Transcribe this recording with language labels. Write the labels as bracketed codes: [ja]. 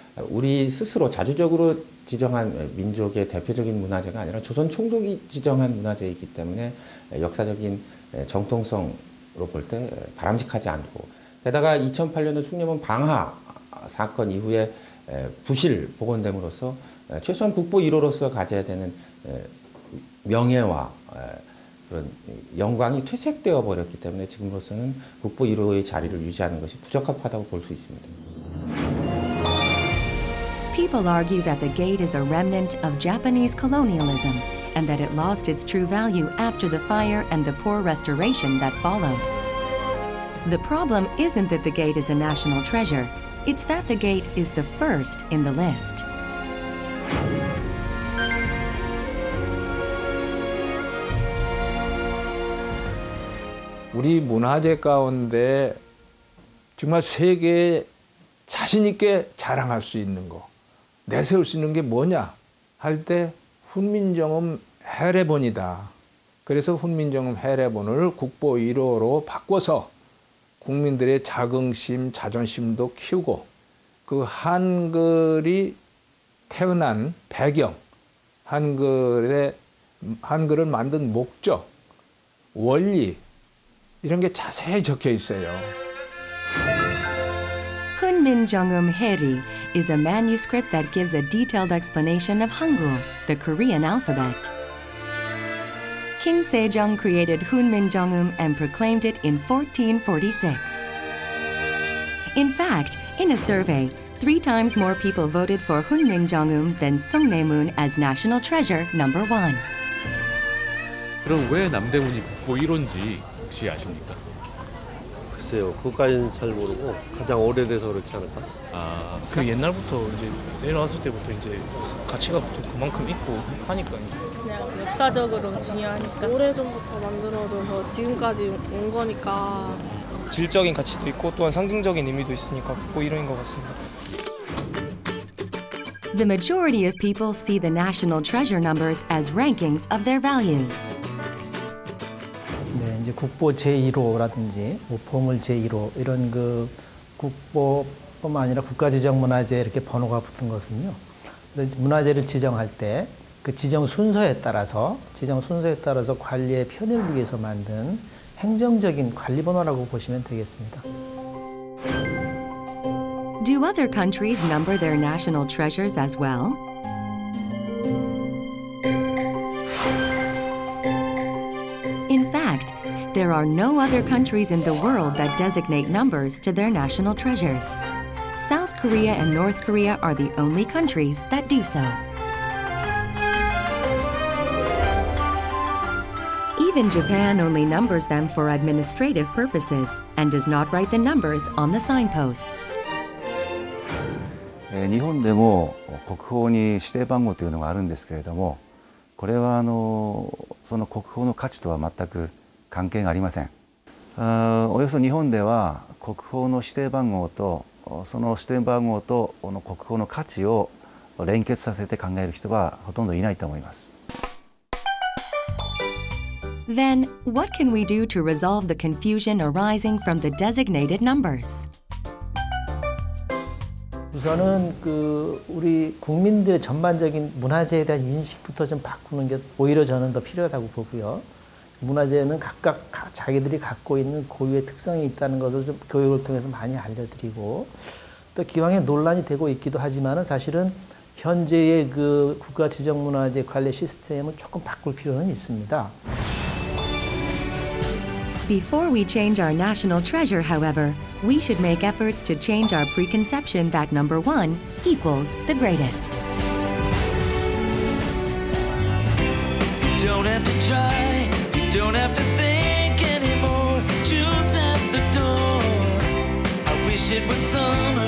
[ko] 우리 스스로 자주적으로 지정한 민족의 대표적인 문화재가 아니라 조선 총독이 지정한 문화재이기 때문에 역사적인 정통성으로 볼 때 바람직하지 않고 게다가 2008년에 숭례문 방하 사건 이후에 부실 복원됨으로써 최소한 국보 1호로서 가져야 되는 명예와 그런 영광이 퇴색되어 버렸기 때문에 지금으로서는 국보 1호의 자리를 유지하는 것이 부적합하다고 볼 수 있습니다. [en] People argue that the gate is a remnant of Japanese colonialism and that it lost its true value after the fire and the poor restoration that followed. The problem isn't that the gate is a national treasure. It's that the gate is the first in the list. [ko] Our 문화재 가운데 정말 세계에 자신 있게 자랑할 수 있는 거, 내세울 수 있는 게 뭐냐 할 때 훈민정음 해례본이다. 그래서 훈민정음 해례본을 국보 1호로 바꿔서 국민들의 자긍심, 자존심도 키우고 그 한글이 태어난 배경, 한글을 만든 목적, 원리 이런 게 자세히 적혀 있어요. [en] 훈민정음 해리 is a manuscript that gives a detailed explanation of Hangul, the Korean alphabet. King Sejong created Hunminjeongeum and proclaimed it in 1446. In fact, in a survey, three times more people voted for Hunminjeongeum than Sungnae-mun as national treasure number one. [ko] 그럼 왜 남대문이 국보 1호인지 혹시 아십니까? 글쎄요, 그것까지는 잘 모르고 가장 오래돼서 그렇지 않을까? 아, 그 옛날부터 이제 내려왔을 때부터 이제 가치가 그만큼 있고 하니까 이제. 그냥 역사적으로 중요하니까 오래전부터 만들어져서 지금까지 온 거니까 질적인 가치도 있고 또한 상징적인 의미도 있으니까 국보 1호인 것 같습니다. [en] The majority of people see the national treasure numbers as rankings of their values. [ko] 네, 이제 국보 제1호라든지 우포물 제1호 이런 그 국보뿐만 아니라 국가지정문화재 이렇게 번호가 붙은 것은요. 문화재를 지정할 때 그 지정 순서에 따라서 관리의 편의를 위해서 만든 행정적인 관리 번호라고 보시면 되겠습니다. [en] Do other countries number their national treasures as well? In fact, there are no other countries in the world that designate numbers to their national treasures. South Korea and North Korea are the only countries that do so. Believe in Japan only numbers them for administrative purposes and does not write the numbers on the signposts. [ja] 日本でも国宝に指定番号というのがあるんですけれども、これはその国宝の価値とは全く関係がありません。およそ日本では国宝の指定番号とその指定番号とこの国宝の価値を連結させて考える人はほとんどいないと思います。 [en] Then, what can we do to resolve the confusion arising from the designated numbers? [ko] 우선은 그 우리 국민들의 전반적인 문화재에 대한 인식부터 좀 바꾸는 게 오히려 저는 더 필요하다고 보고요. 문화재는 각각 자기들이 갖고 있는 고유의 특성이 있다는 것을 좀 교육을 통해서 많이 알려드리고 또 기왕에 논란이 되고 있기도 하지만 사실은 현재의 그 국가 지정 문화재 관리 시스템은 조금 바꿀 필요는 있습니다. [en] Before we change our national treasure, however, we should make efforts to change our preconception that number one equals the greatest. You don't have to try, you don't have to think anymore. June's at the door. I wish it was summer.